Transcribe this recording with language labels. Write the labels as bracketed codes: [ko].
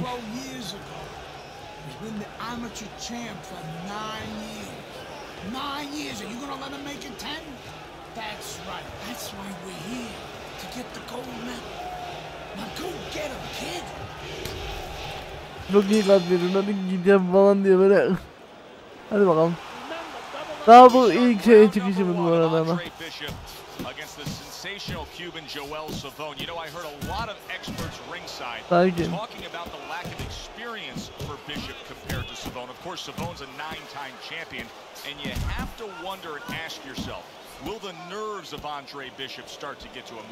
[en] 12 years ago, he's been the amateur champ for 9 years. 9 years, are you gonna let him make it 10? That's right, that's why we're here, to get the gold medal. Now go get him, kid! [tr] Çok iyi lan benim, hadi gideceğim falan diye böyle. Hadi bakalım. Daha bu ilk şey çıkışımız bu arada ama. [en] Sensational Cuban Joel Savone. You know, I heard a lot of experts ringside talking about the lack of experience for Bishop compared to Savone. Of course, Savone's a 9-time champion, and you have to wonder and ask yourself, will the nerves of Andre Bishop start to get to him?